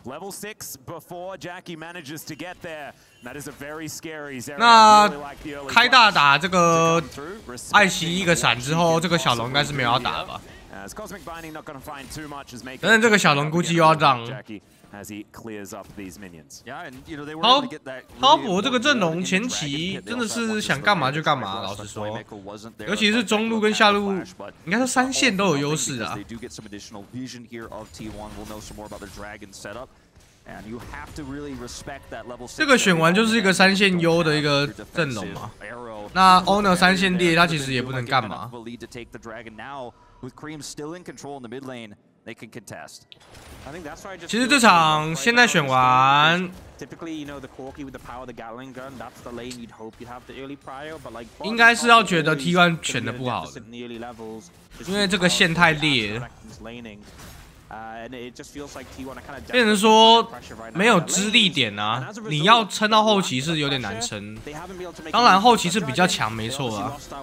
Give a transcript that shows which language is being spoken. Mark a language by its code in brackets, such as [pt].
[en] Level six before Jackie manages to get there. That is a very scary. [zh] 那开大打这个艾希一个闪之后，这个小龙应该是没有要打吧？ [en] Cosmic Binding not going to find too much as make. [zh] 等等，这个小龙估计又要涨。 [en] As he clears up these minions. Yeah, and you know they were able to get that. [zh] 滔博这个阵容前期真的是想干嘛就干嘛，老实说。尤其是中路跟下路，应该是三线都有优势啊。 [en] They do get some additional vision here of T1. We'll know some more about their dragon setup. And you have to really respect that level. [zh] 这个选完就是一个三线优的一个阵容嘛。那 Owner 三线D他其实也不能干嘛。 [en] Lead to take the dragon now with Kream still in control in the mid lane. They can contest. I think that's why I just. [zh] 其实这场现在选完。 [en] Typically, you know, the Corki with the power of the Gatling gun, that's the lane you'd hope you'd have the early prior. But like. [zh] 应该是要觉得 T1 选的不好的。因为这个线太裂。 [en] And it just feels like T1 kind of. [zh] 变成说没有支力点啊，你要撑到后期是有点难撑。当然后期是比较强，没错啊。